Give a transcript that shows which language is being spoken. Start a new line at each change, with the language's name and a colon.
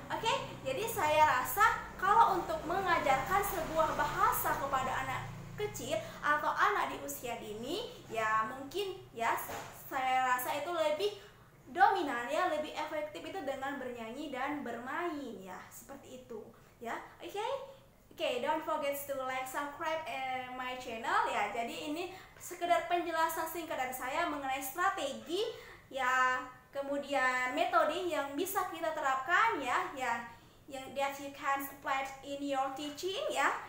Indonesian: Oke, jadi saya rasa kalau untuk mengajarkan sebuah bahasa kepada anak kecil atau anak di usia dini, ya mungkin ya saya rasa itu lebih dominan ya, lebih efektif itu dengan bernyanyi dan bermain ya, seperti itu ya.
English: Oke, don't forget to like, subscribe my channel ya.
Indonesian: Jadi ini sekedar penjelasan singkat dari saya mengenai strategi ya, kemudian metode yang bisa kita terapkan ya, yang
English: that you can apply in your teaching
Indonesian: ya.